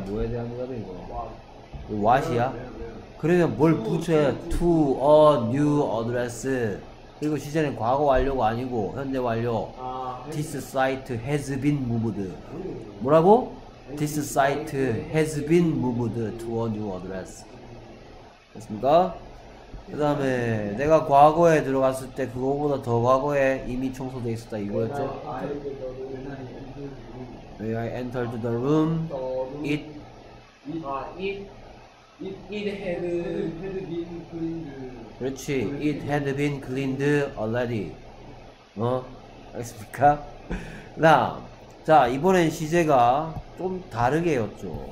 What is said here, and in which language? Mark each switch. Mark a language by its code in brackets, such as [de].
[ko] 뭐에 대한 대답이야 이거? what이야? 그러면 뭘 붙여야 [en] to a new address. [ko] 그리고 시제는 과거 완료가 아니고 현재 완료. 아, [en] this site has been moved. [ko] 뭐라고? [en] This site has been moved to a new address. [ko] 됐습니까? 그 다음에 내가 과거에 들어갔을 때 그거보다 더 과거에 이미 청소되어 있었다 이거였죠? [en] When I entered the room, it had been cleaned already. [ko] 어? 알겠습니까? 다음 자 이번엔 시제가 좀 다르게였죠.